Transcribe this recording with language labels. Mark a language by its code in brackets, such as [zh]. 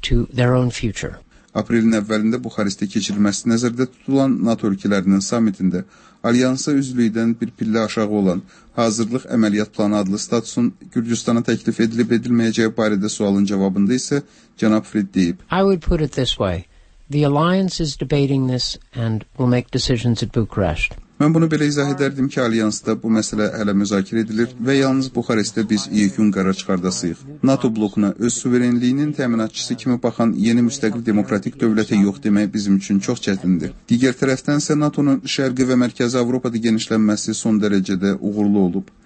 [az] Aprelin əvvəlində Buxarestdə keçirilməsi nəzərdə tutulan NATO ölkələrinin samitində Alyansa üzvlüyüdən bir pillə aşağı olan hazırlıq əməliyyat planı adlı statusun Gürcüstana təklif edilib-edilməyəcəyi barədə sualın cavabında isə cənab Fried deyib. [en] I would put it this way. The Alliance is debating this and will make decisions at Bucharest. [az] Mən bunu belə izah edərdim ki, Alyansda bu məsələ hələ müzakirə edilir və yalnız Buxarestdə biz yekun qərar çıxardasıyıq. NATO blokuna öz suverenliyinin təminatçısı kimi baxan yeni müstəqil demokratik dövlətə yox demək bizim üçün çox çətindir. Digər tərəfdən isə NATO-nun Şərqi və Mərkəzi Avropada genişlənməsi son dərəcədə uğurlu olub.